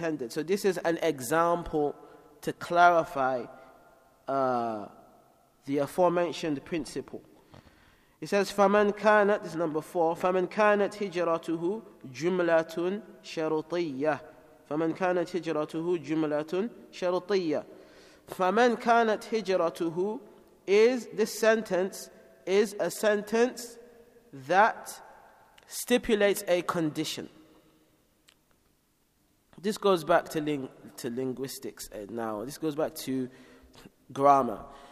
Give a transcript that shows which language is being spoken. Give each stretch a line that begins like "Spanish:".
English: So this is an example to clarify the aforementioned principle. It says,
Arabic: فَمَنْ كَانَتْ,
English: this is number four,
Arabic: فَمَنْ كَانَتْ هِجْرَتُهُ جُمْلَةٌ شَرُطِيَّةٌ. فَمَنْ كَانَتْ هِجْرَتُهُ جُمْلَةٌ شَرُطِيَّةٌ. فَمَنْ كَانَتْ هِجْرَتُهُ,
English: is this sentence, is a sentence that stipulates a condition. This goes back to linguistics now. This goes back to grammar.